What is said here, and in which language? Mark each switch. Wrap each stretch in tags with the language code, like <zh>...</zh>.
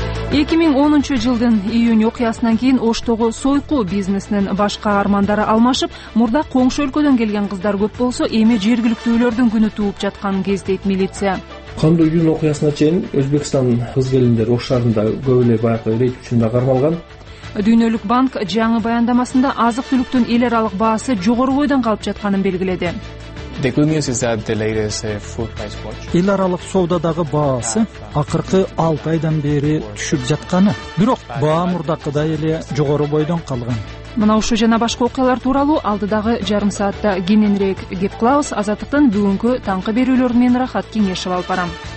<ky>2010 жылдын июнь окуясынан кийин Оштогу Сойку бизнесинин баш каармандары алмашып, мурда коңшу өлкөдөн келген кыздар көп болсо, эми жергиликтүүлөрдүн күнү туулуп жатканын кездейт милиция. Кандуу июнь окуясына чейин Өзбекстан кыз келиндер Ош шаарында көп эле баягы рейд үчүн да кармалган. Дүйнөлүк банк жаңы баяндамасында азык түлүктүн эл аралык баасы жогору бойдон калып жатканын белгиледи.</ky> <en>The good news is that the latest food price watch.</en> <ky>Эл аралык соодадагы баасы акыркы 6 айдан бери түшүп жатканы, бирок баа мурдакыдай эле жогору бойдон калган. Мына ушу жана башка окуялар тууралуу алдыдагы жарым саатта кененирээк кеп кылабыз. Азаттыктын бүгүнкү таңкы берүүлөрүн мен Рахат кеңешип алып барам.</ky>